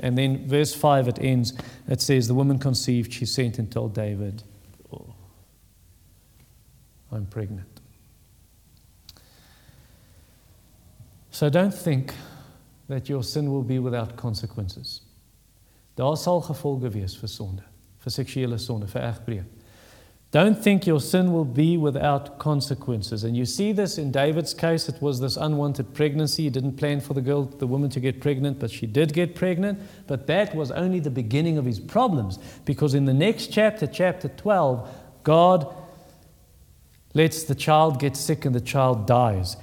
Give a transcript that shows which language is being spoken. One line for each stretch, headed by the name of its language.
English: And then verse 5, it ends. It says, the woman conceived, she sent and told David, oh, I'm pregnant. So don't think that your sin will be without consequences.
Afrikaans: Daar sal gevolge wees vir sonde, vir seksuele sonde, vir egsbreek.
English: Don't think your sin will be without consequences. And you see this in David's case. It was this unwanted pregnancy. He didn't plan for the girl, the woman to get pregnant, but she did get pregnant. But that was only the beginning of his problems. Because in the next chapter, chapter 12, God lets the child get sick and the child dies.